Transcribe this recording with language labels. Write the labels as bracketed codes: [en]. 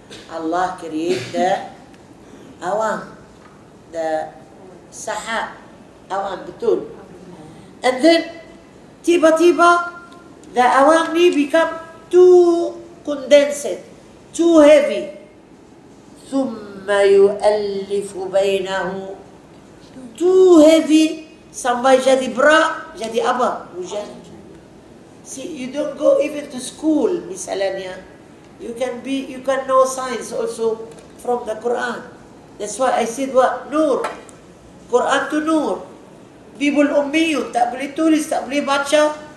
[en] Allah create the awan, the sahab, awan, betul. And then, tiba-tiba, the awan may become too condensed, too heavy. [ar] ثُمَّ يُؤَلِّفُ بَيْنَهُ. [en] Too heavy, [ms] sampai jadi berat, jadi apa? Hujan. [en] See, you don't go even to school, misalnya. You can know science also from the Quran. That's why I said what? Nur. Quran to Nur. [ms] Bibul Ummiyu, tak boleh tulis, tak boleh baca.